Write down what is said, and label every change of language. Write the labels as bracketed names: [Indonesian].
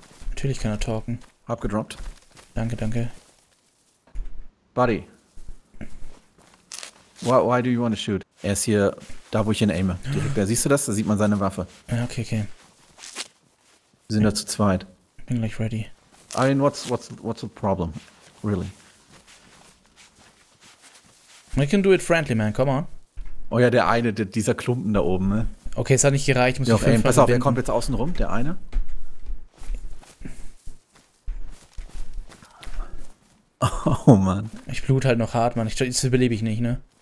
[German] Natürlich kann er talken. Hab gedroppt. Danke, danke. [English] Buddy. Why do you want to shoot? [German] Er ist hier, da wo ich ihn aime. Da siehst du das? Da sieht man seine Waffe. Ja, okay, okay. Wir sind da zu zweit. Bin gleich ready. [English] I mean, what's the problem? Really? We can do it friendly, man, come on. [German] Oh ja, der eine, dieser Klumpen da oben, ne? Okay, es hat nicht gereicht, muss ich fünfmal verbinden. Pass auf, der kommt jetzt außen rum, der eine. Oh, Mann. Ich blute halt noch hart, Mann. Das überlebe ich nicht, ne?